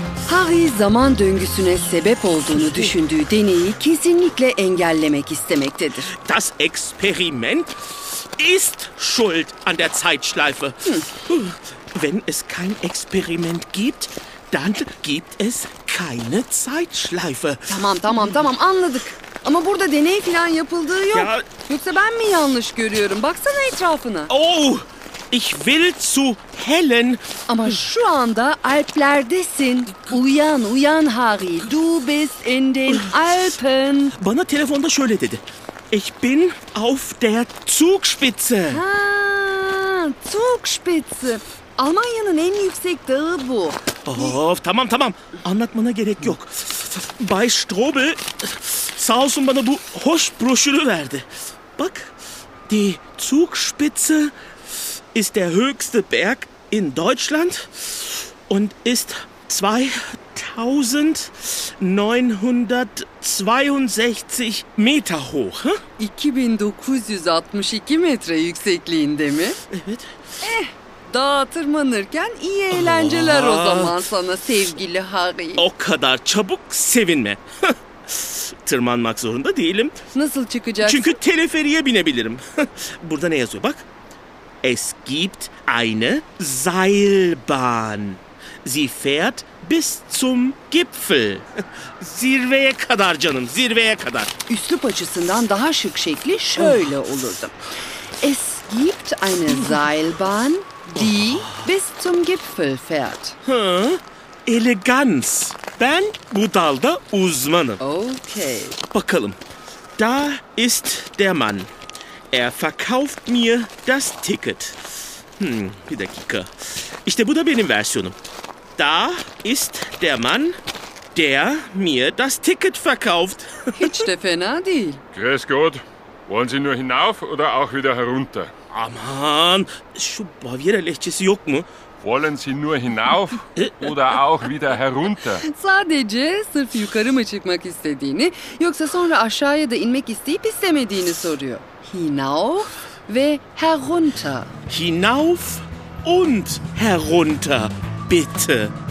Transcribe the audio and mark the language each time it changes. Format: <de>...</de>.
<tr>Harry zaman döngüsüne sebep olduğunu düşündüğü deneyi kesinlikle engellemek istemektedir.</tr> <de>Das Experiment ist schuld an der Zeitschleife. Wenn es kein Experiment gibt, dann gibt es keine Zeitschleife.</de> <tr>Tamam anladık. Ama burada deney falan yapıldığı yok. Ja. Yoksa ben mi yanlış görüyorum? Baksana etrafına.</tr> <de>Oh! Ich will zu Helen.</de> <tr>Ama şu anda Alplerdesin. Uyan</tr> <de>Harry. Du bist in den Alpen.</de> <tr>Bana telefonda şöyle dedi.</tr> <de>Ich bin auf der Zugspitze. Ha, Zugspitze.</de> <tr>Almanya'nın en yüksek dağı bu. Of, tamam. Anlatmana gerek yok. Bay Strobel sağ olsun bana bu hoş broşürü verdi. Bak,</tr> <de>die Zugspitze ist der höchste Berg in Deutschland und ist 2962 Meter hoch. Hä?</de> <tr>2962 Metre yüksekliğinde mi? Evet. Dağa tırmanırken iyi eğlenceler o zaman sana sevgili Harry. O kadar çabuk sevinme. Tırmanmak zorunda değilim. Nasıl çıkacaksın? Çünkü teleferiye binebilirim. Burada ne yazıyor bak.</tr> <de>Es gibt eine Seilbahn. Sie fährt bis zum Gipfel.</de> <tr>Zirveye kadar canım, zirveye kadar. Üslup açısından daha şık şekli şöyle olurdu.</tr> <de>Es gibt eine Seilbahn, die bis zum Gipfel fährt.</de> <tr>Eleganz. Ben bu dalda uzmanım. Okay. Bakalım.</tr> <de>Da ist der Mann. Er verkauft mir das Ticket.</de> <tr>Bir dakika. İşte bu da benim versiyonum.</tr> <de>Da ist der Mann, der mir das Ticket verkauft.</de> <tr>Hiç de fena değil.</tr> <de>Grüß Gott. Wollen Sie nur hinauf oder auch wieder herunter?</de> <tr>Aman, şu Bavyera lehçesi yok mu?</tr> <de>Wollen Sie nur hinauf oder auch wieder herunter?</de> <tr>Sadece sırf yukarı mı çıkmak istediğini, yoksa sonra aşağıya da inmek isteyip istemediğini soruyor.</tr> <de>Hinauf</de> <tr>ve</tr> <de>herunter. Hinauf und herunter, bitte.</de>